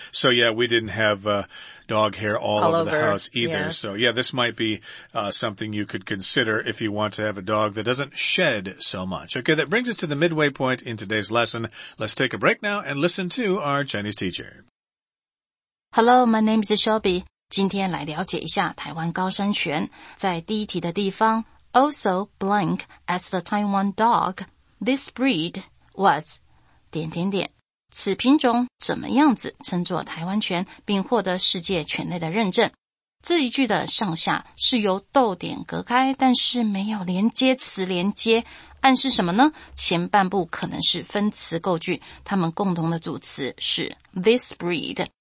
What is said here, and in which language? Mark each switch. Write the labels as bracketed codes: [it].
[en] So, yeah, we didn't have dog hair all over the house either. Yeah. So, yeah, this might be something you could consider if you want to have a dog that doesn't shed so much. Okay, that brings us to the midway point in today's lesson. Let's take a break now and listen to our Chinese teacher. Hello, my name is Shelby. [zh] 今天来了解一下台湾高山犬在第一题的地方。 [en] Also blank as the Taiwan dog, this breed was [zh] 点点点。此品种怎么样子称作台湾犬并获得世界犬类的认证。这一句的上下是由逗点隔开，但是没有连接词连接，暗示什么呢？前半部可能是分词构句，它们共同的主词是 [en] this breed。